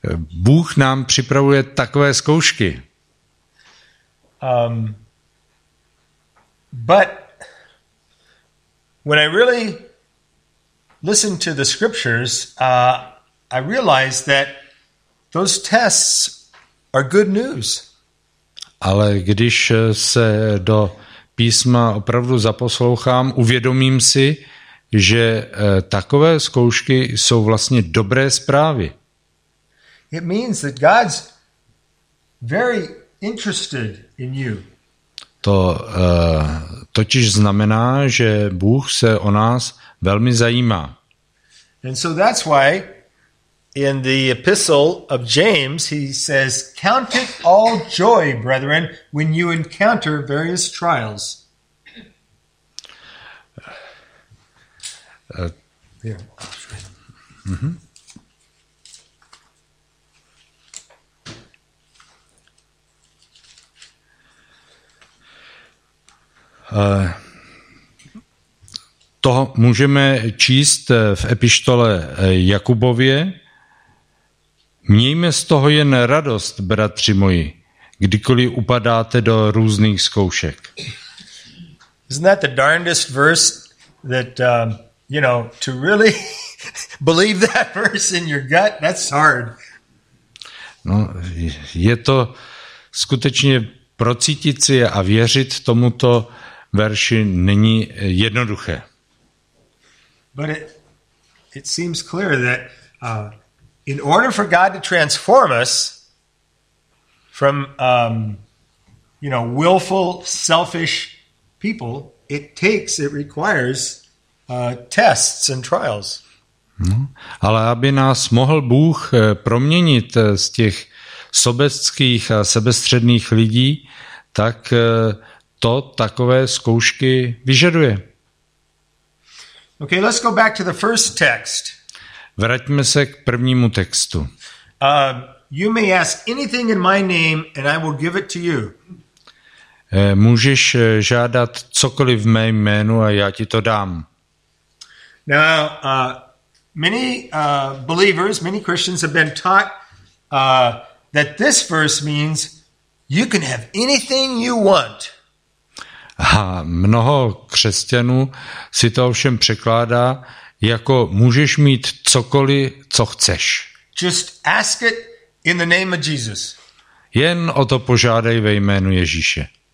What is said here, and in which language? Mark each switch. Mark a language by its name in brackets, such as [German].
[Czech] Bůh nám připravuje takové zkoušky. [English] But when I really listen to the scriptures, I realize that those tests are good news. [Czech] Ale když se do písma opravdu zaposlouchám, uvědomím si, že takové zkoušky jsou vlastně dobré zprávy. [English] It means that God's very interested in you. [Czech] To totiž znamená, že Bůh se o nás velmi zajímá. [English] And so that's why in the epistle of James he says, "Count it all joy, brethren, when you encounter various trials." [Czech] To můžeme číst v epištole Jakubově. Mějme z toho jen radost, bratři moji, kdykoliv upadáte do různých zkoušek. [English] Isn't that the darndest verse that you know, to really believe that verse in your gut, that's hard. [Czech] No, je to skutečně procítit si a věřit tomuto verši není jednoduché. [English] But it seems clear that in order for God to transform us from you know, willful, selfish people, it requires tests and trials. [Czech] No, ale aby nás mohl Bůh proměnit z těch sobeckých a sebestředných lidí, tak to takové zkoušky vyžaduje. [English] Okay, let's go back to the first text. [Czech] Vraťme se k prvnímu textu. [English] You may ask anything in my name and I will give it to you. [Czech] Můžeš žádat cokoliv v mém jménu a já ti to dám. [English] Now, many believers, many Christians have been taught that this verse means you can have anything you want. [Czech] A mnoho křesťanů si to ovšem překládá jako můžeš mít cokoliv, co chceš. [English] Just ask it in the name of Jesus. [Czech] Jen o to požádej ve jménu Ježíše.